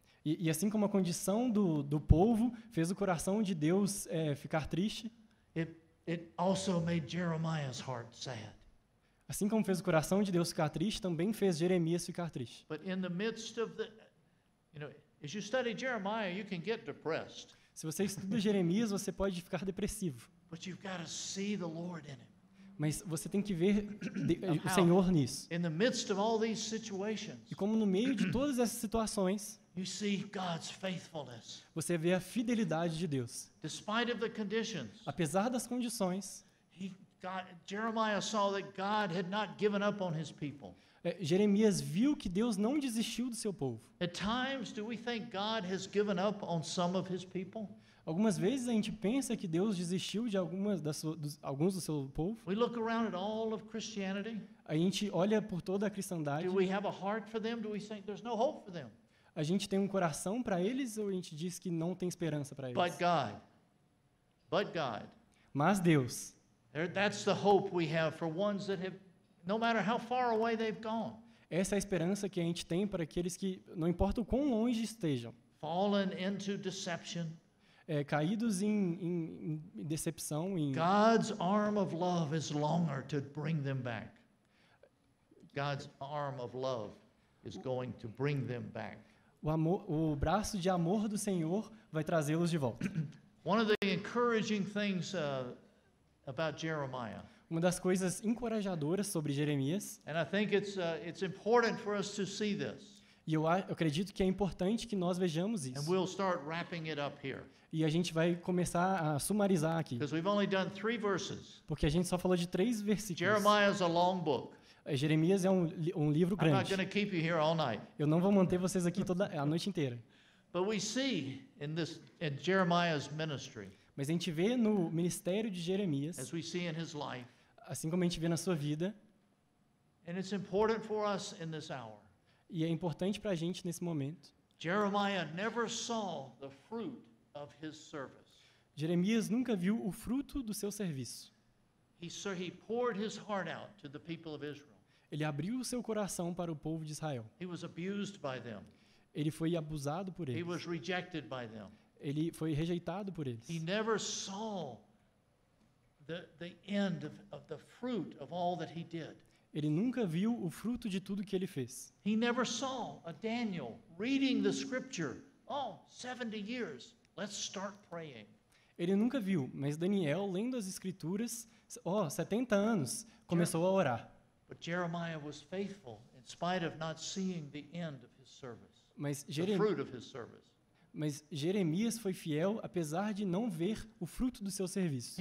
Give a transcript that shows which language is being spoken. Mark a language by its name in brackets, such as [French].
[Portuguese] E assim como a condição do povo fez o coração de Deus ficar triste, [English] it also made Jeremiah's heart sad. [Portuguese] Assim como fez o coração de Deus ficar triste, também fez Jeremias ficar triste. [English] But in the midst of the, you know, as you study Jeremiah, you can get depressed. [Portuguese] Se você estuda Jeremias, você pode ficar depressivo. [English] But you've got to see the Lord in it. [Portuguese] Mas você tem que ver o Senhor nisso. [English] In the midst of all these situations, [Portuguese] e como no meio de todas essas situações, [English] you see God's faithfulness. [Portuguese] Você vê a fidelidade de Deus. [English] Despite of the conditions, [Portuguese] apesar das condições, [English] Jeremiah saw that God had not given up on his people. [Portuguese] Jeremias viu que Deus não desistiu do seu povo. [English] At times, do we think God has given up on some of his people? [Portuguese] Algumas vezes a gente pensa que Deus desistiu de alguns do seu povo. [English] We look around at all of Christianity. [Portuguese] A gente olha por toda a cristandade. [English] Do we have a heart for them? Do we think there's no hope for them? [Portuguese] A gente tem um coração para eles ou a gente diz que não tem esperança para eles? [English] But God. [Portuguese] Mas Deus. [English] That's the hope we have for ones that have, no matter how far away they've gone. [Portuguese] Essa é a esperança que a gente tem para aqueles que, não importa o quão longe estejam. [English] Fallen into deception. [Portuguese] Caídos em decepção. [English] God's arm of love is longer to bring them back. God's arm of love is going to bring them back. [Portuguese] O braço de amor do Senhor vai trazê-los de volta. [English] One of the encouraging things about Jeremiah. [Portuguese] Uma das coisas encorajadoras sobre Jeremias. [English] And I think it's important for us to see this. [Portuguese] E eu acredito que é importante que nós vejamos isso. [English] And we'll start wrapping it up here. [Portuguese] E a gente vai começar a sumarizar aqui. [English] Because we've only done three verses. [Portuguese] Porque a gente só falou de três versículos. [English] Jeremiah is a long book. [Portuguese] Jeremias é um livro grande. [English] I'm not going to keep you here all night. [Portuguese] Eu não vou manter vocês aqui toda a noite inteira. [English] But we see in Jeremiah's ministry. [Portuguese] Mas a gente vê no ministério de Jeremias. [English] As we see in his life. [Portuguese] Assim como a gente vê na sua vida. [English] And it's important for us in this hour. [Portuguese] E é importante para a gente nesse momento. [English] Jeremiah never saw the fruit of his service. [Portuguese] Jeremias nunca viu o fruto do seu serviço. [English] He poured his heart out to the people of Israel. [Portuguese] Ele abriu o seu coração para o povo de Israel. [English] He was abused by them. [Portuguese] Ele foi abusado por eles. [English] He was rejected by them. [Portuguese] Ele foi rejeitado por eles. [English] He never saw the end of the fruit of all that he did. [Portuguese] Ele nunca viu o fruto de tudo que ele fez. [English] He never saw a Daniel reading the scripture. Oh, 70 years. Let's start praying. [Portuguese] Ele nunca viu, mas Daniel lendo as escrituras, 70 anos, começou a orar. [English] But Jeremiah was faithful in spite of not seeing the end of his service. The fruit of his service. [Portuguese] Mas Jeremias foi fiel apesar de não ver o fruto do seu serviço.